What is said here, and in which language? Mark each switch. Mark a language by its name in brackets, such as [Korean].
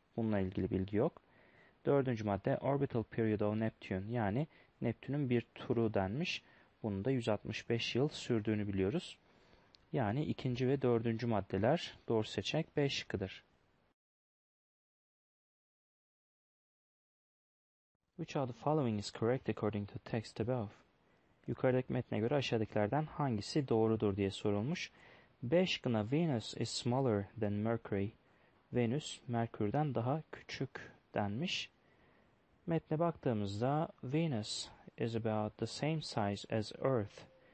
[Turkish] Bununla ilgili bilgi yok. Dördüncü madde [English] orbital period of Neptune, [Turkish] yani Neptün'ün bir turu denmiş. Bunun da 165 yıl sürdüğünü biliyoruz. Yani ikinci ve dördüncü maddeler doğru seçenek B şıkkıdır. [English] Which of the following is correct according to text above? [Turkish] Yukarıdaki metne göre aşağıdakilerden hangisi doğrudur diye sorulmuş. B şıkkına [English] Venus is smaller than Mercury. [Turkish] Venüs, Merkür'den daha küçük denmiş. Metne baktığımızda [English] Venus is about the same size as Earth.